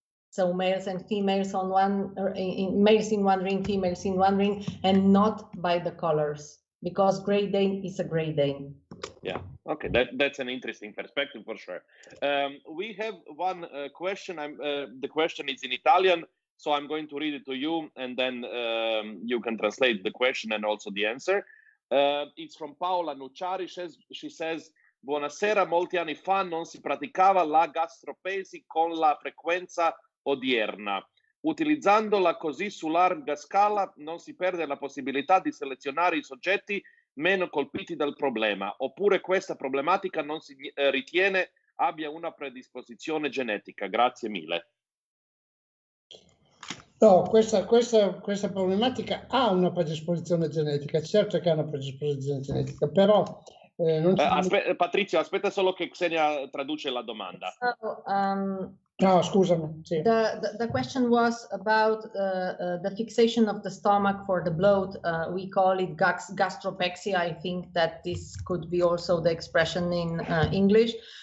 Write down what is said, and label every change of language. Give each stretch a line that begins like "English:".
English: So males and females on one, or males in one ring, females in one ring, and not by the colors, because Great Dane is a Great Dane. Yeah, okay, that's an interesting perspective for sure. We have one question. The question is in Italian, so I'm going to read it to you, and then you can translate the question and also the answer. It's from Paola Nucciari. She says,
Italian: buonasera, molti anni fa non si praticava la gastropesi con la frequenza odierna. Utilizzandola così su larga scala non si perde la possibilità di selezionare i soggetti meno colpiti dal problema, oppure questa problematica non si ritiene abbia una predisposizione genetica? Grazie mille. No, questa problematica ha una predisposizione genetica, certo che ha una predisposizione genetica, però... Patrizio, aspetta solo che Xenia traduce la domanda. No, scusami. Sì.
English: The question was about the fixation of the stomach for the bloat. We call it gastropexia. I think that this could be also the expression in English.